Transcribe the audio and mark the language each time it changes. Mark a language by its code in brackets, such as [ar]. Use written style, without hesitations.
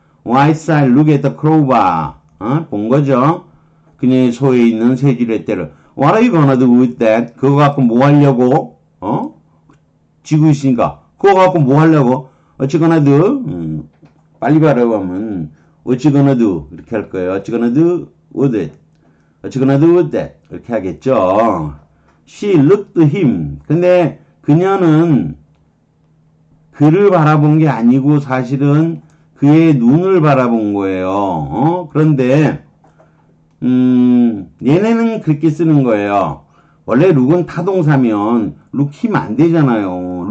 [en] White side, look at the crowbar. [ko] 본 거죠? 그녀의 소에 있는 쇠지렛대를. [en] What are you gonna do with that? [ko] 그거 갖고 뭐 하려고? 어? 쥐고 있으니까. 그거 갖고 뭐 하려고? [en] What you gonna do? [ko] 빨리 가라고 하면, [en] What you gonna do? 이렇게 할 거예요. What you gonna do with it? What you gonna do with that? [ko] 이렇게 하겠죠. [en] She looked him. [ko] 근데, 그녀는 그를 바라본 게 아니고 사실은 그의 눈을 바라본 거예요. 그런데 얘네는 그렇게 쓰는 거예요. 원래 룩은 타동사면 룩힘 안 되잖아요.